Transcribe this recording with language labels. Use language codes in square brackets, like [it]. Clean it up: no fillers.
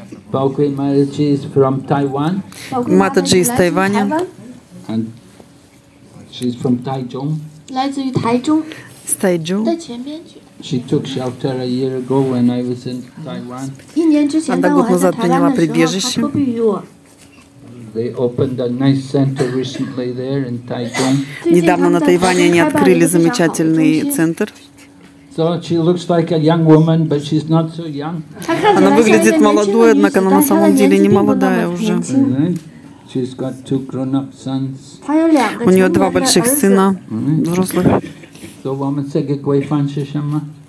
[en] Баоквей Матаджи is from Taiwan. [ru] Матаджи из Тайваня. [en] And she's from Taichung. [zh] 来自于台中. [en] She took shelter a year ago when I was in Taiwan. [ru] Она год назад приняла прибежище. [en] They opened a nice center recently there in Taichung. [ru] Недавно на Тайване они открыли замечательный центр. [en] So she looks like a young woman, but she's not so young. [ru] Она выглядит молодой, однако она на самом деле не молодая уже. [en] She's got two grown-up sons. [ru] У нее два больших сына, взрослых. [en] So, what is it? What is it? What is it?